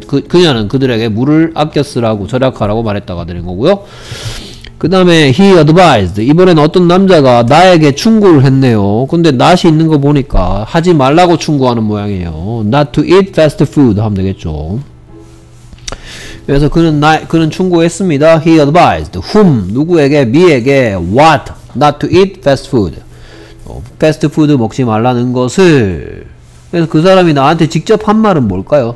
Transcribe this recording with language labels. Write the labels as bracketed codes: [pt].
[ko] 그녀는 그들에게 물을 아껴 쓰라고 절약하라고 말했다가 되는 거고요. 그 다음에 [en] he advised. [ko] 이번에는 어떤 남자가 나에게 충고를 했네요. 근데 not이 있는 거 보니까 하지 말라고 충고하는 모양이에요. [en] not to eat fast food [ko] 하면 되겠죠. 그래서 그는 충고했습니다. [en] He advised whom [ko] 누구에게 [en] me에게 what not to eat fast food. [ko] 패스트 푸드 먹지 말라는 것을. 그래서 그 사람이 나한테 직접 한 말은 뭘까요?